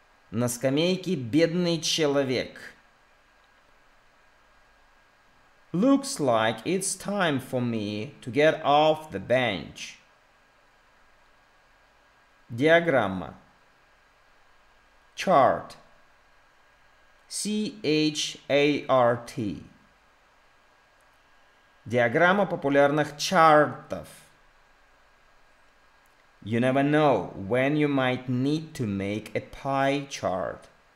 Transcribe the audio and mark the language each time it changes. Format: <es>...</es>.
<ru>На скамейке бедный человек.</ru> <en>Looks like it's time for me to get off the bench.</en> <ru>Диаграмма. Chart.</ru> <en>C-H-A-R-T.</en> <ru>Диаграмма популярных чартов.</ru> <en>You never know when you might need to make a pie chart.</en>